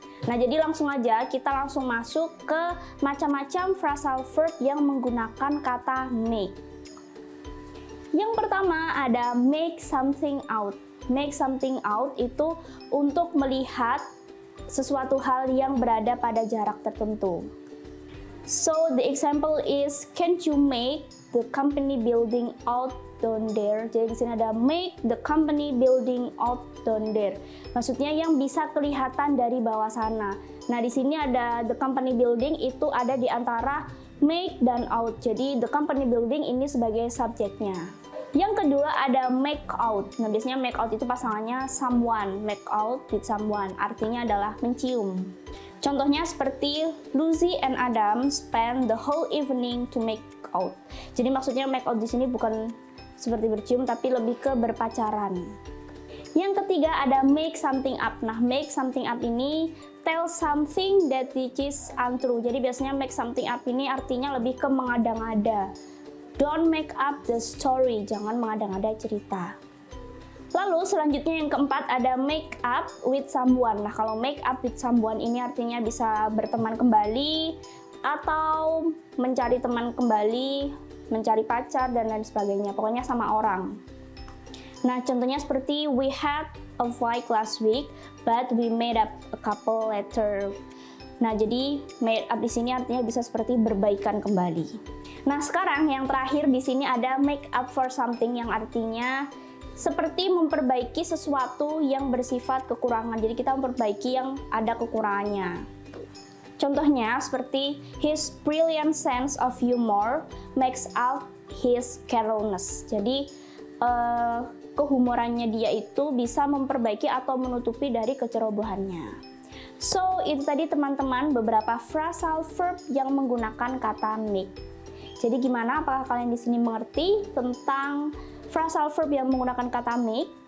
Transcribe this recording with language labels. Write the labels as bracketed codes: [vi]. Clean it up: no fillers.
[id] Nah, jadi langsung aja kita langsung masuk ke macam-macam phrasal verb yang menggunakan kata make. Yang pertama ada make something out. Make something out itu untuk melihat sesuatu hal yang berada pada jarak tertentu. [en] So, the example is, can't you make the company building out down there? [id] Jadi di sini ada [en] make the company building out down there. [id] Maksudnya yang bisa kelihatan dari bawah sana. Nah, di sini ada the company building itu ada di antara make dan out. Jadi the company building ini sebagai subjeknya. Yang kedua ada make out. Nah, biasanya [en] make out [id] itu pasangannya [en] someone. Make out with someone. [id] Artinya adalah mencium. Contohnya seperti [en] Lucy and Adam spend the whole evening to make out. [id] Jadi maksudnya make out di sini bukan seperti bercium tapi lebih ke berpacaran. Yang ketiga ada [en] make something up. Nah, make something up [id] ini [en] tell something that is untrue. [id] Jadi biasanya make something up ini artinya lebih ke mengada-ngada. [en] Don't make up the story. [id] Jangan mengada-ngada cerita. Lalu selanjutnya yang keempat ada make up with someone. Nah, kalau make up with someone ini artinya bisa berteman kembali atau mencari teman kembali, mencari pacar dan lain sebagainya. Pokoknya sama orang. Nah, contohnya seperti [en] we had a fight last week but we made up a couple later. [id] Nah, jadi made up di sini artinya bisa seperti berbaikan kembali. Nah, sekarang yang terakhir di sini ada make up for something yang artinya seperti memperbaiki sesuatu yang bersifat kekurangan. Jadi kita memperbaiki yang ada kekurangannya. Contohnya seperti [en] his brilliant sense of humor makes up his carelessness. [id] Jadi kehumorannya dia itu bisa memperbaiki atau menutupi dari kecerobohannya. So, itu tadi teman-teman beberapa phrasal verb yang menggunakan kata make. Jadi gimana, apakah kalian di sini mengerti tentang phrasal verb yang menggunakan kata make?